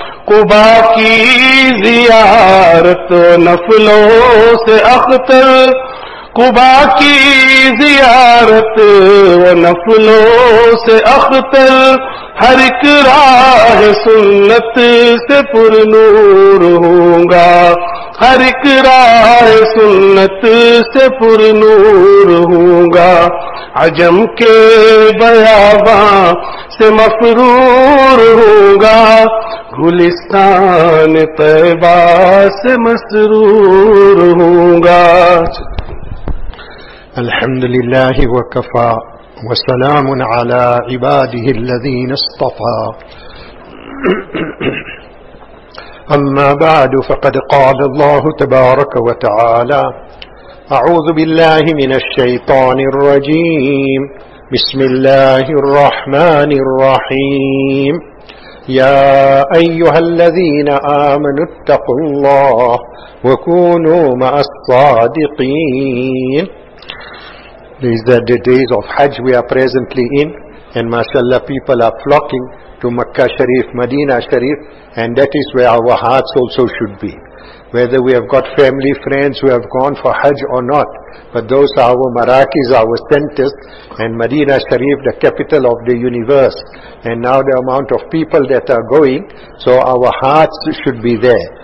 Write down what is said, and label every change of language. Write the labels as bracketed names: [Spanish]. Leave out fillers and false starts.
[Urdu] قبا کی زیارت نفلوں سے اختر, قبا کی زیارت و نفلوں سے اختر, ہر ایک راہ سنت سے پر نور ہوں گا, ہر ایک راہ سنت سے پر نور ہوں گا. عجم کے بیاباں سے مفرور ہوں گا, گلستان طیبہ سے مسرور ہوں گا. [Arabic] الحمد للہ وکفا وسلام على عباده الذين اصطفى, أما بعد, فقد قال الله تبارك وتعالى, أعوذ بالله من الشيطان الرجيم, بسم الله الرحمن الرحيم. يا أيها الذين آمنوا اتقوا الله وكونوا مع الصادقين. [English] These are the days of Hajj we are presently in, and mashallah, people are flocking to Makkah Sharif, Madina Sharif, and that is where our hearts also should be. Whether we have got family, friends who have gone for Hajj or not, but those are our marakis, our centers, and Madina Sharif, the capital of the universe, and now the amount of people that are going, so our hearts should be there.